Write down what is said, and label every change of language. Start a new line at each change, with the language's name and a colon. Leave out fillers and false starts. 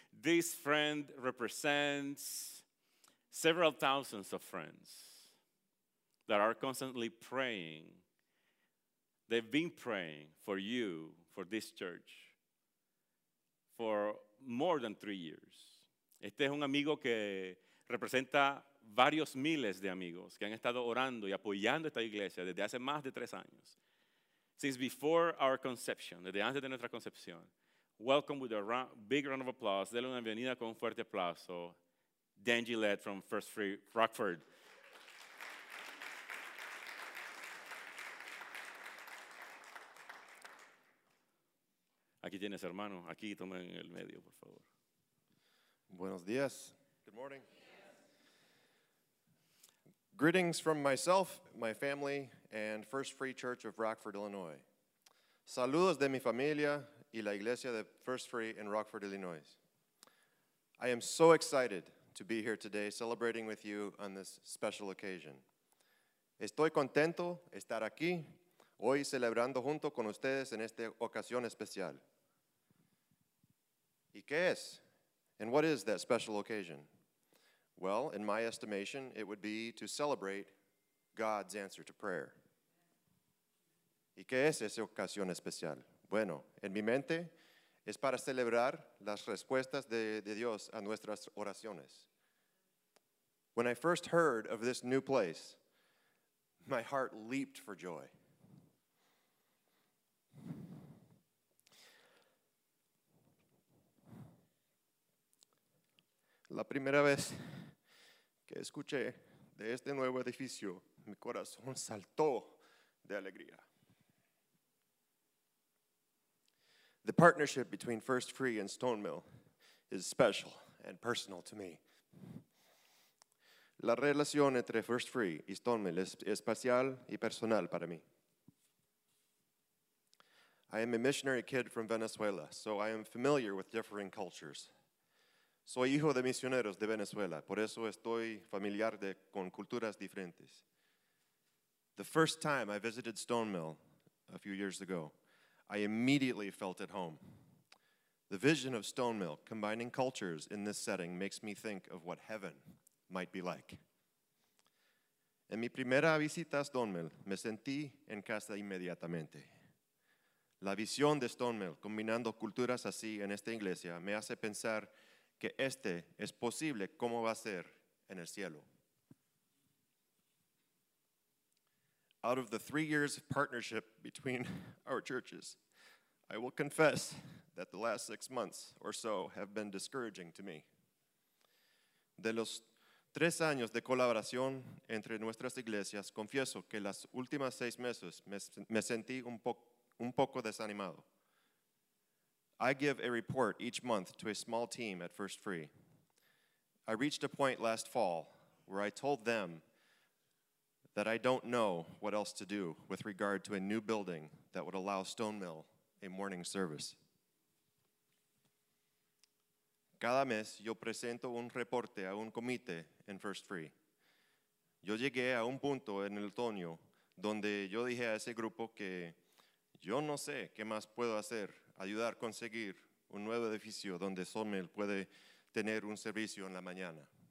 English: This friend represents several thousands of friends that are constantly praying. They've been praying for you, for this church, for more than 3 years.
Spanish: Este es un amigo que representa varios miles de amigos que han estado orando y apoyando esta iglesia desde hace más de 3 años.
English: Since before our conception,
Spanish: desde antes de nuestra concepción.
English: Welcome with a big round of applause.
Spanish: Dele una bienvenida con un fuerte aplauso. Dan Gillette from First Free Rockford. Aquí tienes, hermano. Aquí, tomen el medio, por favor. Buenos días.
English: Good morning. Greetings from myself, my family, and First Free Church of Rockford, Illinois.
Spanish: Saludos de mi familia y la iglesia de First Free in Rockford, Illinois.
English: I am so excited to be here today celebrating with you on this special occasion.
Spanish: Estoy contento estar aquí hoy celebrando junto con ustedes en esta ocasión especial. ¿Y qué es?
English: And what is that special occasion? Well, in my estimation, it would be to celebrate God's answer to prayer.
Spanish: ¿Y qué es esa ocasión especial? Bueno, en mi mente, es para celebrar las respuestas de Dios a nuestras oraciones.
English: When I first heard of this new place, my heart leaped for joy.
Spanish: La primera vez que escuché de este nuevo edificio, mi corazón saltó de alegría.
English: The partnership between First Free and Stone Mill is special and personal to me.
Spanish: La relación entre First Free y Stone Mill es especial y personal para mí.
English: I am a missionary kid from Venezuela, so I am familiar with differing cultures.
Spanish: Soy hijo de misioneros de Venezuela, por eso estoy familiar con culturas diferentes.
English: The first time I visited Stone Mill a few years ago, I immediately felt at home. The vision of Stone Mill combining cultures in this setting makes me think of what heaven might be like.
Spanish: En mi primera visita a Stone Mill, me sentí en casa inmediatamente. La visión de Stone Mill combinando culturas así en esta iglesia me hace pensar que este es posible como va a ser en el cielo.
English: Out of the 3 years of partnership between our churches, I will confess that the last 6 months or so have been discouraging to me.
Spanish: De los 3 años de colaboración entre nuestras iglesias, confieso que las últimas 6 meses me sentí un poco desanimado.
English: I give a report each month to a small team at First Free. I reached a point last fall where I told them that I don't know what else to do with regard to a new building that would allow Stone Mill a morning service.
Spanish: Cada mes yo presento un reporte a un comité en First Free. Yo llegué a un punto en el otoño donde yo dije a ese grupo que yo no sé qué más puedo hacer, ayudar a conseguir un nuevo edificio donde Stone Mill puede tener un servicio en la mañana.